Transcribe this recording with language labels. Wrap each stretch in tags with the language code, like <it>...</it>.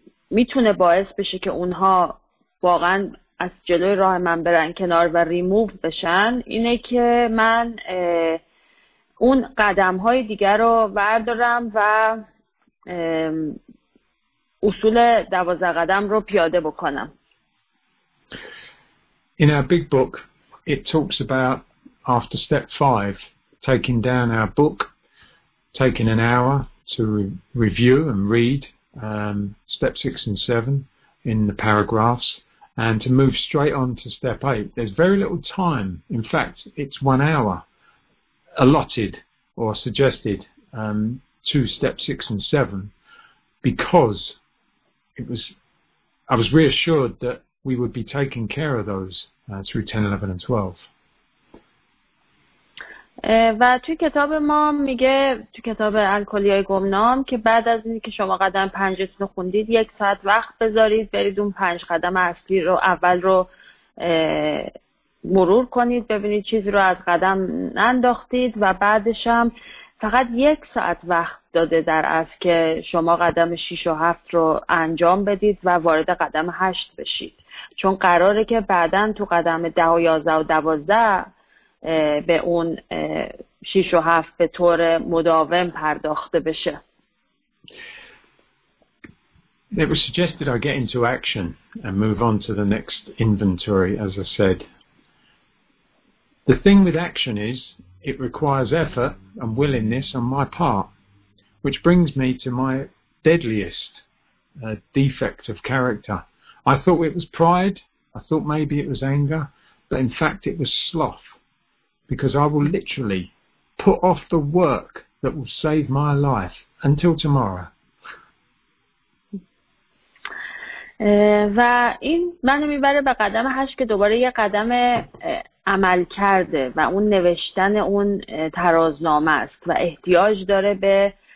<fa>میتونه باعث بشه که اونها واقعا از جلوی راه من برن کنار و ریموو بشن، اینه که من اون قدم های دیگر رو وردارم و اصول 12 قدم رو پیاده بکنم.</fa> <en>In our big book it talks about after step 5 taking down our book, taking an hour to review and read step 6 and 7 in the paragraphs, and to move straight on to step 8. There's very little time. In fact, it's 1 hour allotted or suggested to step 6 and 7 because I was reassured that we would be taking care of those through 10, 11, and 12.</en> <fa>و توی کتاب ما میگه توی کتاب الکلیای گمنام که بعد از اینکه شما قدم 5 رو خوندید یک ساعت وقت بذارید برید اون 5 قدم اصلی رو اول رو مرور کنید ببینید چیز رو از قدم انداختید و بعدش هم فقط یک ساعت وقت داده در از که شما قدم 6 و 7 رو انجام بدید و وارد قدم 8 بشید چون قراره که بعدن تو قدم 10 و 11 و 12 به اون 6 و 7 به طور مداوم پرداخته بشه.</fa> <en>It was suggested I get into action and move on to the next inventory, as I said. The thing with action is it requires effort and willingness on my part, which brings me to my deadliest defect of character. I thought it was pride, I thought maybe it was anger, but in fact it was sloth. Because I will literally put off the work that will save my life until tomorrow.</en> <fa>و این منو میبره به قدم 8 که دوباره یه قدم عمل کرده و اون نوشتن اون ترازنامه است و احتیاج داره به</fa>